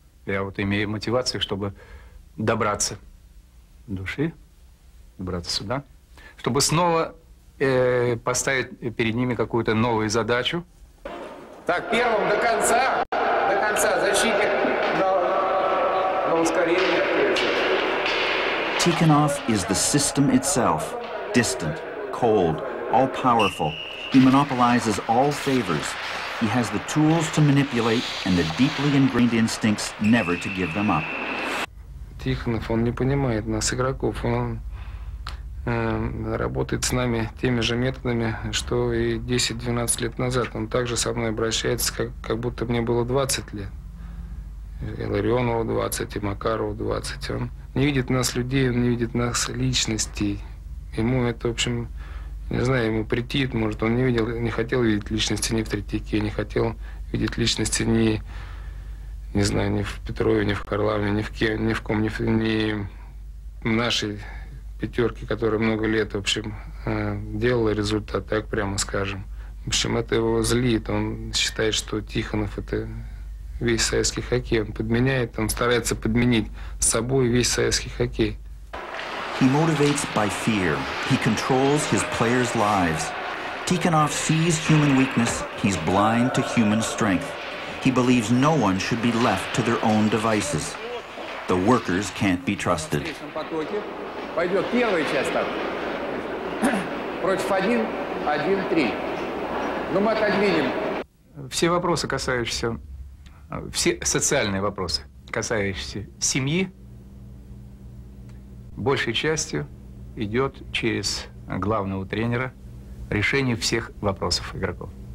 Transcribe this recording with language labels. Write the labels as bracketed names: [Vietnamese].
[Russian] Я вот имею мотивацию, чтобы добраться души, добраться сюда, чтобы снова поставить перед ними какую-то новую задачу. Так, первым до конца защитник на ускорение. [English] Tikhonov is the system itself, distant, cold, all-powerful. He monopolizes all favors. He has the tools to manipulate and the deeply ingrained instincts never to give them up. [Russian] Tikhonov, он не понимает нас, игроков. Он работает с нами теми же методами, что и 10-12 лет назад. Он также со мной обращается, как будто мне было 20 лет. Илларионову 20, и Макарову 20. Он не видит нас людей, он не видит нас личностей. Ему это, в общем, не знаю, ему претит, может, он не хотел видеть личности ни в Третьяке, не хотел видеть личности ни, не знаю, ни в Петрове, ни в Карлаве, ни в нашей пятерке, которая много лет, в общем, делала результат, так прямо скажем. В общем, это его злит, он считает, что Тихонов это... Весь советский хоккей он подменяет, он старается подменить с собой весь советский хоккей. [English] He motivates by fear. He controls his players' lives. Tikhonov sees human weakness. He's blind to human strength. He believes no one should be left to their own devices. The workers can't be trusted. [Russian] Пойдет первая часть против 1-1-3. Ну мы отодвинем. Все вопросы касающиеся. Все социальные вопросы, касающиеся семьи, большей частью идет через главного тренера решение всех вопросов игроков.